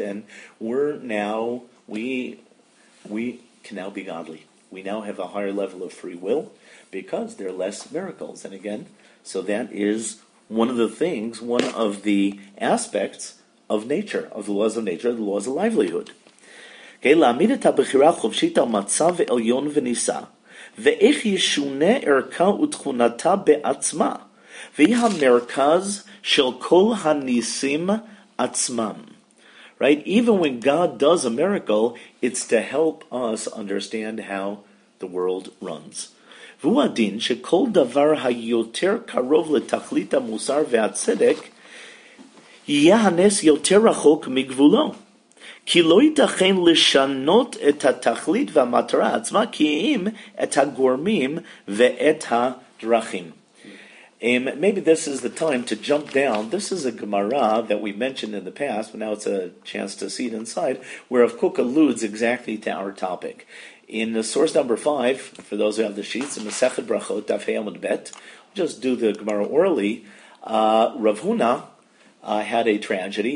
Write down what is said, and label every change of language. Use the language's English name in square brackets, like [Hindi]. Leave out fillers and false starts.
[English] And we're now, we can now be godly. We now have a higher level of free will because there are less miracles. And again, so that is one of the things, one of the aspects of nature, of the laws of nature, the laws of livelihood. [Hebrew] Okay, להעמיד את הבחירה החופשית על מצב עליון ונישא, ואיך ישונה ערכה ותכונתה בעצמה, והיא המרכז של כל הניסים עצמם. [English] Right? Even when God does a miracle, it's to help us understand how the world runs. [Hebrew] והוא הדין שכל דבר היותר קרוב לתכלית המוסר והצדק, יהיה הנס יותר רחוק מגבולו. כי לא ייתכן לשנות את התכלית והמטרה עצמה, כי אם את הגורמים ואת הדרכים. [English] Maybe this is the time to jump down. This is a Gemara that we mentioned in the past, but now it's a chance to see it inside, where Rav Kook alludes exactly to our topic. In the source number 5, for those who have the sheets, in Masechet Brachot, Daf Hei Amud Bet, just do the Gemara orally, Rav Huna had a tragedy.